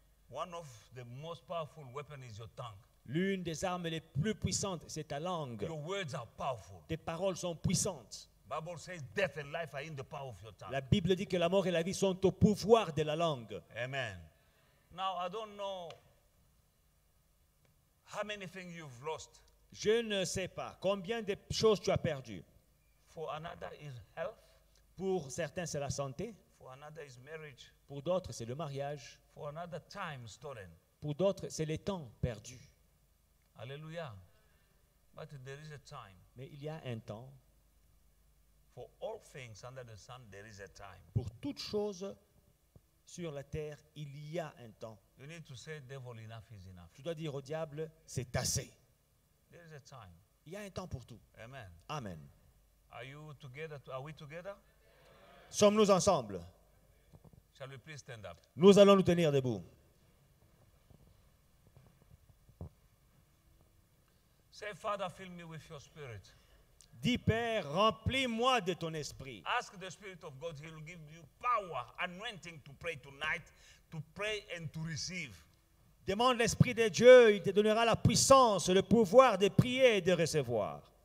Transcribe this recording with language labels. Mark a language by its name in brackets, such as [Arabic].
[English] One of the most powerful weapon is your tongue. [French] L'une des armes les plus puissantes, c'est ta langue. [English] Your words are powerful. [French] Tes paroles sont puissantes. [English] Bible says death and life are in the power of your tongue. [French] La Bible dit que la mort et la vie sont au pouvoir de la langue. Amen. [English] Now I don't know how many things you've lost. [French] Je ne sais pas combien de choses tu as perdu. [English] For another is health. [French] Pour certains, c'est la santé. [English] For another is marriage. [French] Pour d'autres, c'est le mariage. [English] For another time stolen. [French] Pour d'autres, c'est les temps perdus. [English] Alléluia. But there is a time. [French] Mais il y a un temps. [English] For all things under the sun, there is a time. [French] Pour toutes choses sur la terre, il y a un temps. [English] You need to say, devil, enough is enough. [French] Tu dois dire au diable, c'est assez. [English] There is a time. [French] Il y a un temps pour tout. Amen. Amen. [English] Are you together? Are we together? [French] Sommes-nous ensemble? [English] Shall we please stand up? [French] Nous allons nous tenir debout. [English] Say, Father, fill me with your spirit. [French] Dis, Père, remplis-moi de ton esprit. [English] Ask the Spirit of God, he will give you power, anointing to pray tonight, to pray and to receive. [French] Demande l'Esprit de Dieu, il te donnera la puissance, le pouvoir de prier et de recevoir.